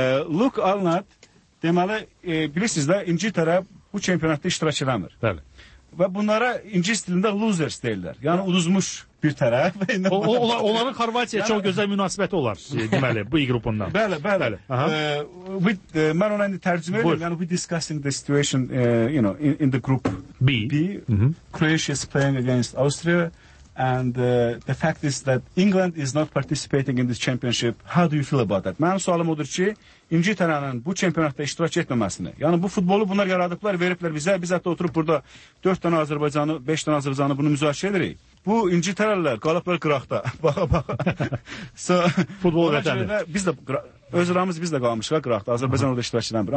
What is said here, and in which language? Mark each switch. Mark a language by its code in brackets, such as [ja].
[az] Luke Alnat deməli bilirsiniz də İngiltərə bu çempionatda iştirak eləmir. Bəli. Və bunlara ingilis dilində losers deyirlər. Yəni uduzmuş bir tərəf. Onların Xorvatiyaya yani, çox gözəl münasibəti olar deməli bu qrupundan. Bəli, bəli. Mən ona indi tərcümə edirəm. [en] Yəni we discussing the situation in the group B. Croatia is playing against Austria and the fact is that England is not participating in this championship. How do you feel about that? [az] Mənim sualım odur ki, İngiltərənin bu çempionatda iştirak etməməsini. Yəni bu futbolu bunlar yaradıblar, veriblər bizə. Biz hətta oturub burada 4 dənə Azərbaycanı, 5 dənə Azərbaycanı bunu müzakirə edirik. Bu İngiltərəlilər qalıblar qıraqda. Baxa baxa. Futbol vətəni. Biz də öz aramız biz də qalmışıq qıraqda. Azərbaycan orada iştirak edəmir.